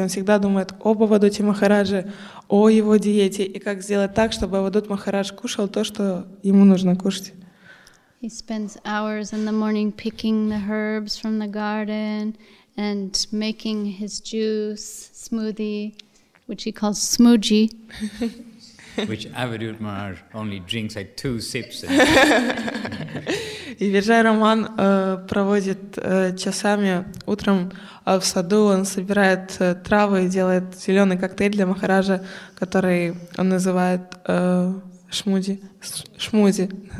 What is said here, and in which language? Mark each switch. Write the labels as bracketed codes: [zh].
[ru] Он всегда думает об Авадхуте Махарадже, о его диете и как сделать так, чтобы Авадхут Махарадж кушал то, что ему нужно кушать. [en] He spends hours in the morning picking the herbs from the garden and making his juice, smoothie, which he calls smoochie. Which Avadhut Maharaj only drinks like two sips. [ru] И Vijay Raman проводит часами утром в саду, он собирает травы и делает зеленый коктейль для Махараджа, который он называет шмузи.